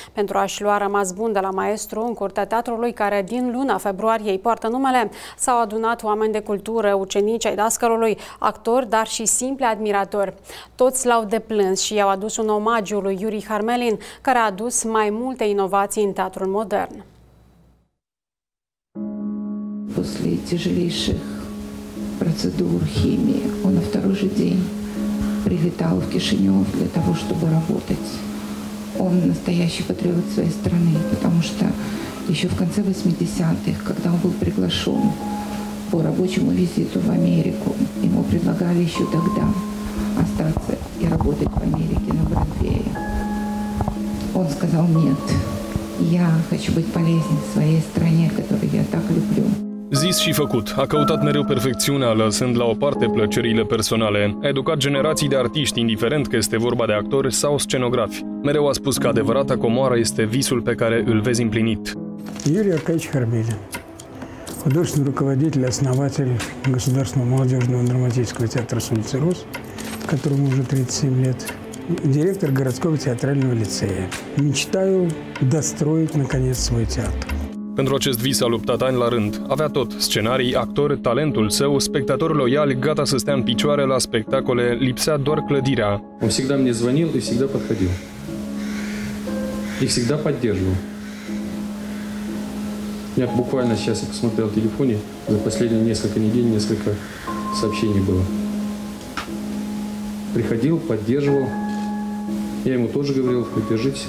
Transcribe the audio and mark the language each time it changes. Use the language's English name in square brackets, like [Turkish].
[Romanian] Pentru a-și lua rămas bun de la maestru, în curtea teatrului, care din luna februarie îi poartă numele, s-au adunat oameni de cultură, ucenici ai dascălului, actori, dar și simpli admiratori. Toți l-au deplâns și i-au adus un omagiu lui Iuri Harmelin, care a adus mai multe inovații în teatrul modern. [Russian] После тяжелейших процедур химии он на второй же день прилетал в Кишинев для того, чтобы работать. Он настоящий патриот своей страны, потому что еще в конце 80-х, когда он был приглашен по рабочему визиту в Америку, ему предлагали еще тогда остаться и работать в Америке на Бродвее. Он сказал нет. Я хочу быть полезен своей стране, которую я так люблю. [Romanian] Zis și făcut, a căutat mereu perfecțiunea, lăsând la o parte plăcerile personale. A educat generații de artiști, indiferent că este vorba de actori sau scenografi. Mereu a spus că adevărata comoară este visul pe care îl vezi împlinit. [Russian] Iuri Arcadiici Harmelin, художественный руководитель, основатель Государственного молодежного драматического театра Сулицы Роз, которому уже 37 лет. Директор городского театрального лицея. Мечтаю достроить наконец свой театр. [Romanian] Pentru acest vis a luptat ani la rând. Avea tot: scenarii, actor, talentul său, spectator loial, gata să stea în picioare la spectacole, lipsea doar clădirea. [Russian] Он всегда мне звонил и всегда подходил. И всегда поддерживал. Я буквально сейчас посмотрел в телефоне, за последние несколько недель несколько сообщений было. Приходил, поддерживал. Я ему тоже говорил, поддержитесь.